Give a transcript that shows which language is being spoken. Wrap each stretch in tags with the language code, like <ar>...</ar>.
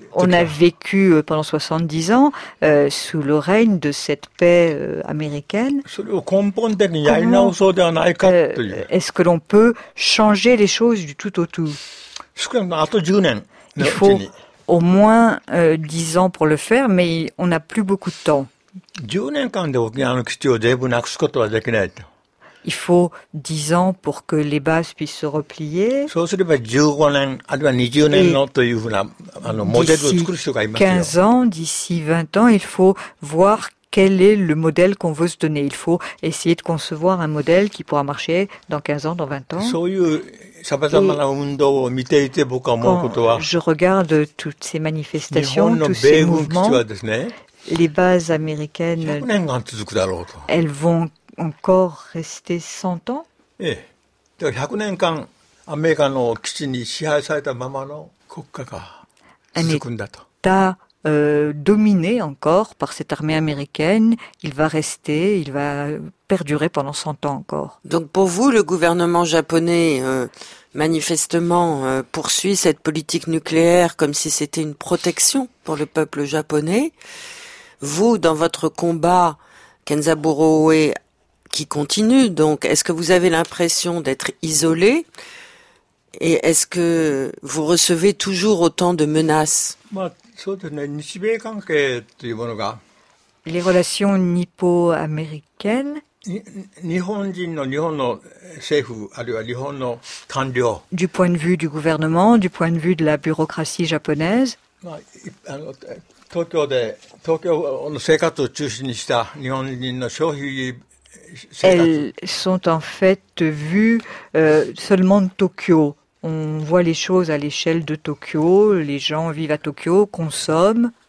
<fr>On a vécu pendant 70 ans, sous le règne de cette paix américaine.</fr> <ja>それを根本的にやり直そうではないかという。</ja> <fr>Est-ce que l'on peut changer les choses du tout au tout?</fr> <ja>少なくともあと10年のうちに。</ja> <fr>Au moins 10 ans pour le faire, mais on n'a plus beaucoup de temps.</fr> <ja>10年間で沖縄の基地を全部なくすことはできないと。</ja> <fr>Il faut 10 ans pour que les bases puissent se replier.</fr> <ja>そうすれば15年、あるいは20年のというふうな、モデルを作る人がいますよ。</ja> <fr>15 ans, d'ici 20 ans, il faut voir quel est le modèle qu'on veut se donner. Il faut essayer de concevoir un modèle qui pourra marcher dans 15 ans, dans 20 ans.</fr> <ja>そういう様々な運動を見ていて僕は思うことは、</ja> <fr>je regarde toutes ces manifestations, tous ces mouvements, les bases américaines, elles vont encore rester 100 ans? Eh.</fr> <ja>100 年間アメリカの基地に支配されたままの国家が続くんだと。</ja> <fr>Un état dominé encore par cette armée américaine, il va rester, il va perdurer pendant 100 ans encore. Donc pour vous, le gouvernement japonais manifestement poursuit cette politique nucléaire comme si c'était une protection pour le peuple japonais. Vous, dans votre combat, Kenzaburo Oe, qui continue. Donc, est-ce que vous avez l'impression d'être isolé? Et est-ce que vous recevez toujours autant de menaces?</fr> <ja>そうですね、日米関係というものが。</ja> <fr>Les relations nippo-américaines。</fr> <ja>日本人の日本の政府あるいは日本の官僚。</ja> <fr>Du point de vue du gouvernement, du point de vue de la bureaucratie japonaise。</fr> <ja>まあ、東京の生活を中心にした日本人の消費生活。</ja> <fr>Elles sont en fait vues seulement de Tokyo. On voit les choses à l'échelle de Tokyo, les gens vivent à Tokyo, consomment.</fr>